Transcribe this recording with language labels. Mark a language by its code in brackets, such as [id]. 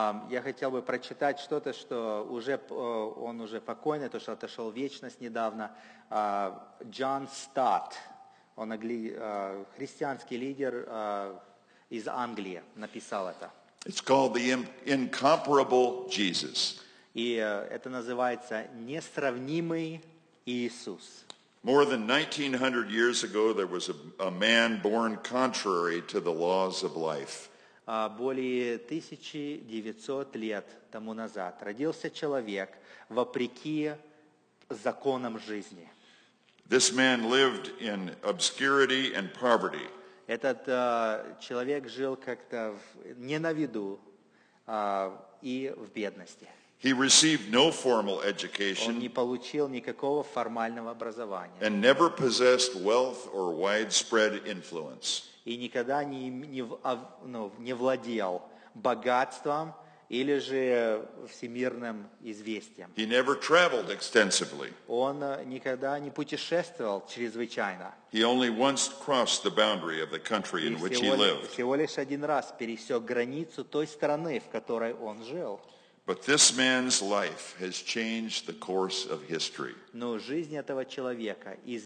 [ru] Я хотел бы прочитать что-то, что уже он уже покойный, то, что отошел в вечность недавно. Джон Стотт, он христианский лидер из Англии, написал это. [en] It's called the incomparable Jesus. [ru] И это называется «Несравнимый Иисус». [en] More than 1900 years ago, there was a man born contrary to the laws of life. [ru] Более 1900 лет тому назад родился человек вопреки законам жизни. [en] This man lived in obscurity and poverty. [ru] Этот человек жил как-то не на виду и в бедности. [en] He received no formal education. [ru] Он не получил никакого формального образования. [en] And never possessed wealth or widespread influence. [ru] И никогда не владел богатством или же всемирным известием. [en] He never traveled extensively. [ru] Он никогда не путешествовал чрезвычайно. [en] He only once crossed the boundary of the country in which he lived. [ru] Всего лишь один раз пересек границу той страны, в которой он жил. [en] But this man's life has changed the course of history. [ru] Но жизнь этого человека изменилась.